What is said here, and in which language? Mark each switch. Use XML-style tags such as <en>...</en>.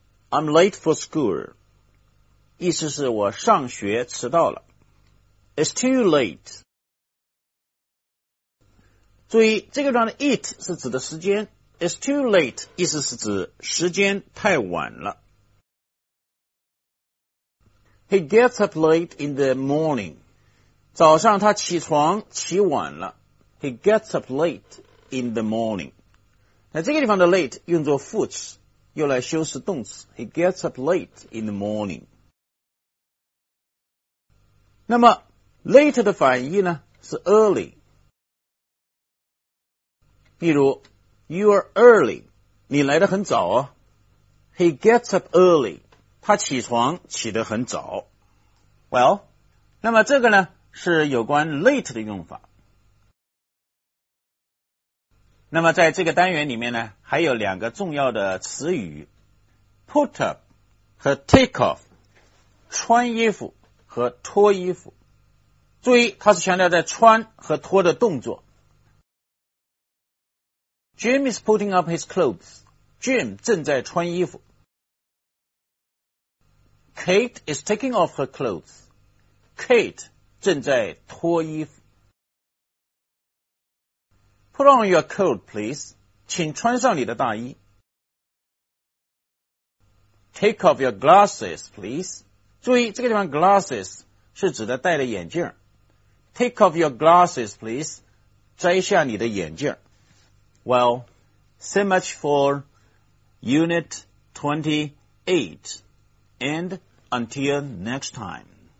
<en>I'm late for school,</en> <zh>意思是我上学迟到了。</zh> <en>It's too late.</en> <zh>注意，这个段的 it 是指的时间。</zh> <en>It's too late,</en> <zh>意思是指时间太晚了。</zh> <en>He gets up late in the morning.</en> <zh>早上他起床起晚了。</zh> <en>He gets up late in the morning.</en> <zh>那这个地方的 late 用作副词，用来修饰动词。</zh> <en>He gets up late in the morning.</en> <zh>那么 late 的反义呢是 early.</zh> <en>比如 You are early.</en> <zh>你来得很早哦。</zh> <en>He gets up early.</en> <zh>他起床起得很早。 Well, 那么这个呢是有关 late 的用法。那么在这个单元里面呢，还有两个重要的词语 put up 和 take off。穿衣服和脱衣服。注意，它是强调在穿和脱的动作。</zh> <en>Jim is putting up his clothes.</en> <zh>Jim 正在穿衣服。</zh> <en>Kate is taking off her clothes.</en> <zh>Kate 正在脱衣服。</zh> <en>Put on your coat, please.</en> <zh>请穿上你的大衣。</zh> <en>Take off your glasses, please.</en> <zh>注意，这个地方 glasses 是指的戴的眼镜。</zh> <en>Take off your glasses, please.</en> <zh>摘下你的眼镜。</zh> <en>Well, so much for Unit 28. And until next time.</en>